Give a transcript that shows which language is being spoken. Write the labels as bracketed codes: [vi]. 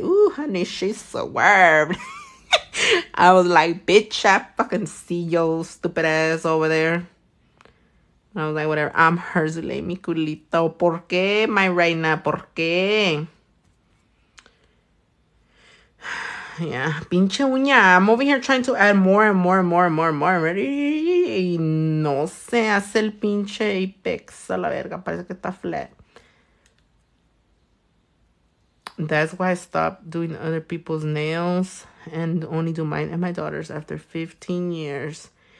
[en] Ooh, honey, she swerved. I was like, bitch, I fucking see your stupid ass over there. And I was like, whatever. I'm hers, [es] le mi culito. ¿Por qué, my reina? ¿Por qué? Yeah. Pinche uña. [en] I'm over here trying to add more and more and more and more and more. Ready? [es] Y no se hace el pinche apex a la verga. Parece que está flat. [en] That's why I stopped doing other people's nails. And only do mine and my daughter's after 15 years.